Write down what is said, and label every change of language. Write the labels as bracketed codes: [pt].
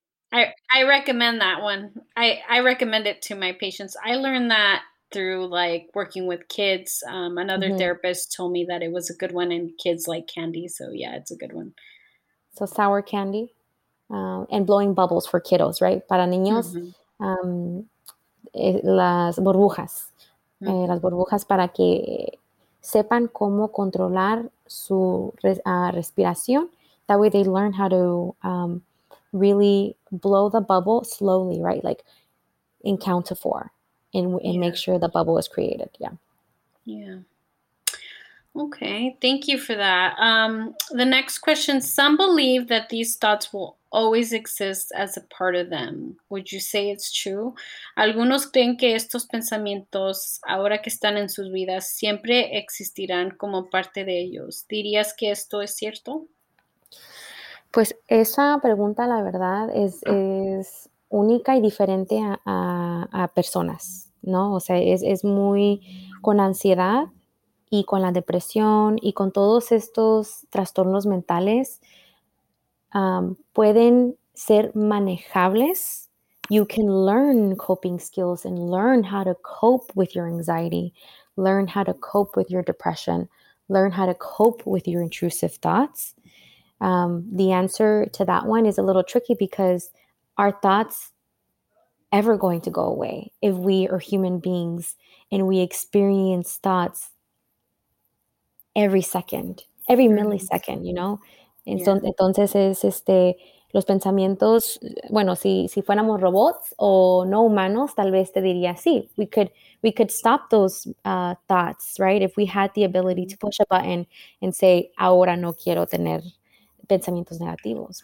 [en] I recommend that one. I recommend it to my patients. I learned that through like working with kids. Another mm-hmm. therapist told me that it was a good one and kids like candy. So yeah, it's a good one. So sour candy and blowing bubbles for kiddos, right? [es] Para niños. Mm-hmm. Las burbujas, mm-hmm. Las burbujas para que sepan cómo controlar su respiración. [en] That way they learn how to really blow the bubble slowly, right? Like in count to four and make sure the bubble is created. Yeah. Yeah. Okay. Thank you for that. The next question, some believe that these thoughts will always exist as a part of them. Would you say it's true? [es] Algunos creen que estos pensamientos, ahora que están en sus vidas, siempre existirán como parte de ellos. ¿Dirías que esto es cierto? Pues esa pregunta, la verdad, es única y diferente a personas, ¿no? O sea, es muy con ansiedad y con la depresión y con todos estos trastornos mentales. Pueden ser manejables. [en] You can learn coping skills and learn how to cope with your anxiety, learn how to cope with your depression, learn how to cope with your intrusive thoughts. The answer to that one is a little tricky because are thoughts ever going to go away if we are human beings and we experience thoughts every second, every millisecond, you know? [es] Entonces es los pensamientos, bueno, si fuéramos robots o no humanos, tal vez te diría sí. [en] We could stop those thoughts, right? If we had the ability to push a button and say, [es] ahora no quiero tener pensamientos negativos.